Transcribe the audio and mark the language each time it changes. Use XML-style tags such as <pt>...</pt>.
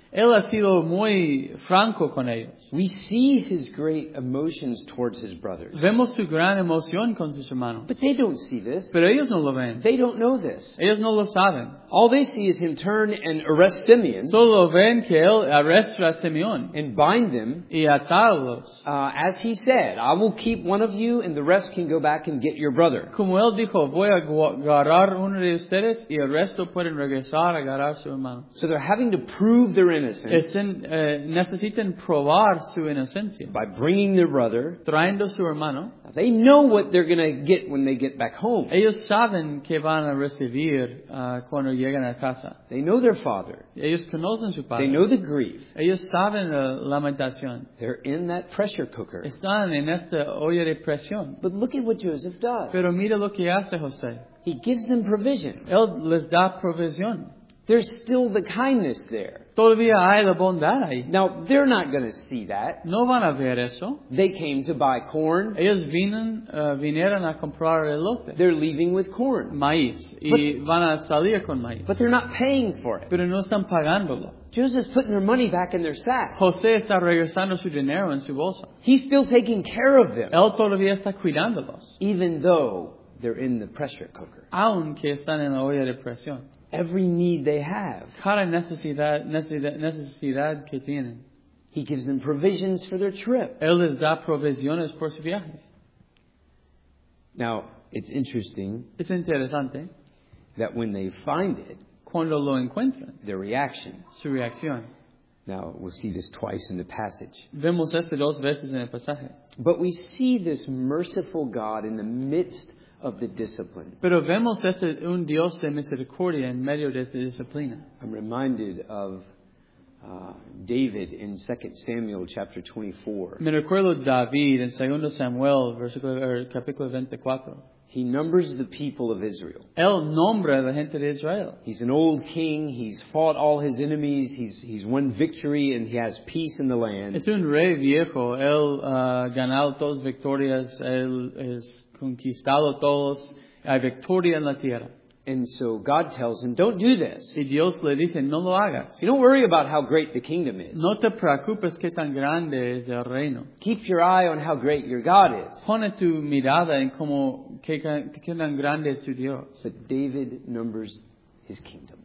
<es>Él ha sido muy franco con ellos.</es> <en>We see his great emotions towards his brothers.</en> <es>Vemos su gran emoción con sus hermanos.</es> <en>But they don't see this.</en> <es>Pero ellos no lo ven.</es> <en>They don't know this.</en> <es>Ellos no lo saben.</es> <en>All they see is him turn and arrest Simeon.</en> <es>Solo ven que él arresta a Simeón.</es> <en>And bind them.</en> <es>Y atarlos.</es> <en>As he said, I will keep one of you and the rest can go back and get your brother.</en> <es>Como él dijo, voy a agarrar uno de ustedes y el resto pueden regresar a agarrar a su hermano.</es> <en>So they're having to prove their innocence.</en> <es>Necesiten probar su inocencia.</es> <en>By bringing their brother.</en> <es>Trayendo su hermano.</es> <en>They know what they're going to get when they get back home.</en> <es>Ellos saben que van a recibir cuando llegan a casa.</es> <en>They know their father.</en> <es>Ellos conocen su padre.</es> <en>They know the grief.</en> <es>Ellos saben la lamentación.</es> <en>They're in that pressure cooker.</en> <es>Están en esta olla de presión.</es> <en>But look at what Joseph does.</en> <es>Pero mira lo que hace José.</es> <en>He gives them provisions.</en> <es>Él les da provisión.</es> <en>There's still the kindness there.</en> <es>Todavía hay la bondad ahí.</es> <en>Now, they're not going to see that.</en> <es>No van a ver eso.</es> <en>They came to buy corn.</en> <es>Ellos vinieron a comprar elote.</es> <en>They're leaving with corn.</en> <es>Maíz. Y van a salir con maíz.</es> <en>But they're not paying for it.</en> <es>Pero no están pagándolo.</es> <en>Joseph's putting their money back in their sack.</en> <es>José está regresando su dinero en su bolsa.</es> <en>He's still taking care of them.</en> <es>Él todavía está cuidándolos.</es> <en>Even though they're in the pressure cooker.</en> <es>Aunque están en la olla de presión.</es> <en>Every need they have.</en> <es>Cada necesidad que tienen.</es> <en>He gives them provisions for their trip.</en> <es>Él les da provisiones por su viaje.</es> <en>Now, it's interesting.</en> <es>Es interesante.</es> <en>That when they find it.</en> <es>Cuando lo encuentran.</es> <en>Their reaction.</en> <es>Su reacción.</es> <en>Now, we'll see this twice in the passage.</en> <es>Vemos esto dos veces en el pasaje.</es> <en>But we see this merciful God in the midst of the discipline.</en> <es>Pero vemos este un Dios de misericordia en medio de esta disciplina.</es> <en>I'm reminded of David in 2 Samuel chapter 24.</en> <es>Me recuerdo David en 2 Samuel capítulo 24.</es> <en>He numbers the people of Israel.</en> <es>Él nombra la gente de Israel.</es> <en>He's an old king. He's fought all his enemies. He's won victory and he has peace in the land.</en> <es>Es un rey viejo. Él ganado todas victorias. Él es conquistado todos, hay victoria en la tierra.</es> <en>And so God tells him, don't do this.</en> <es>Y Dios le dice, no lo hagas.</es> <en>You don't worry about how great the kingdom is.</en> <es>No te preocupes qué tan grande es el reino.</es> <en>Keep your eye on how great your God is.</en> <es>Pone tu mirada en cómo qué tan grande es tu Dios.</es> <en>But David numbers his kingdom.</en>